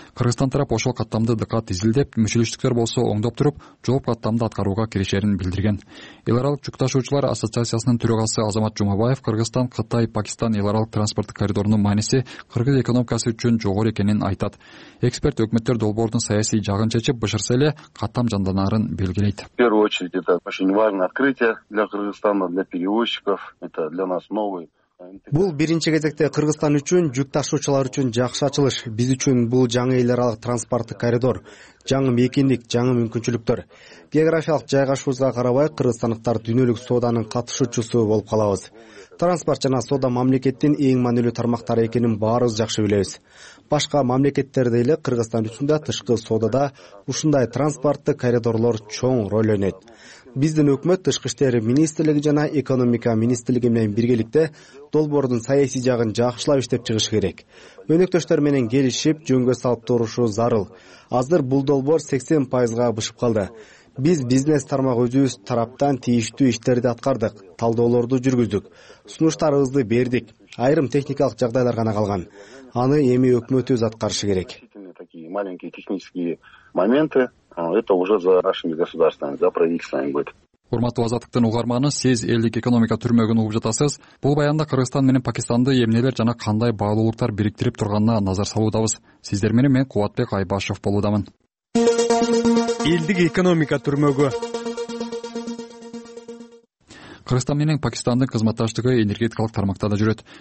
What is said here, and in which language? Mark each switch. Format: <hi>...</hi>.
<ky>Кыргызстан тарап ошол каттамды дыкат изилдеп, мүчүлүштүктөр болсо оңдоп туруп, жооп каттамды аткарууга киришерин билдирген. Эл аралык жүк ташуучулар ассоциациясынын төрагасы Азамат Жумабаев Кыргызстан, Кытай, Пакистан эл аралык транспорттук коридорунун мааниси кыргыз экономикасы үчүн жогору экенин айтат. Эксперт өкмөттөр долбоордун саясий жагын чечип бышырса эле каттам жанданарын белгилейт.</ky> <ru>Важное открытие для Кыргызстана, для перевозчиков, это для нас новый.</ru> <ky>Бул биринчи кезекте Кыргызстан үчүн, жүк ташуучулар үчүн жакшы ачылыш. Биз үчүн бул жаңы эл аралык транспорттук коридор, жаңы мекендик, жаңы мүмкүнчүлүктөр. Географиялык жайгашуубузга карабай, кыргызстандыктар дүйнөлүк сооданын катышуучусу болуп калабыз. Транспорт жана соода мамлекеттин эң маанилүү тармактары экенин баарыбыз жакшы билебиз. Башка мамлекеттерде эле Кыргызстан үчүн да тышкы соодада ушундай транспорттук коридорлор чоң роль ойнойт. биздин өкмөт тышкы иштер министрлиги жана экономика министрлиги менен биргеликте долбоордун саясий жагын жакшылап иштеп чыгыш керек. Өнөктөштөр менен келишип, жөнгө салып турушу зарыл. Азыр бул долбоор 80% бышып калды. Биз бизнес тармак өзүбүз тараптан тийиштүү иштерди аткардык, талдоолорду жүргүздүк, сунуштарыбызды бердик. Айрым техникалык жагдайлар гана калган. Аны эми өкмөт өзү аткарышы керек.</ky> <ru>Маленькие технические моменты, это уже за нашими государствами, за правительствами будет.</ru> <ky>Урматтуу азаттыктын угарманы, сиз элдик экономика түрмөгүн угуп жатасыз. Бул баянда Кыргызстан менен Пакистанды эмнелер жана кандай баалуулуктар бириктирип турганына назар салуудабыз. Сиздер менен мен Кубатбек Айбашев болуудамын. Элдик экономика түрмөгү. Кыргызстан менен Пакистандын кызматташтыгы энергетикалык тармакта да жүрөт.</ky>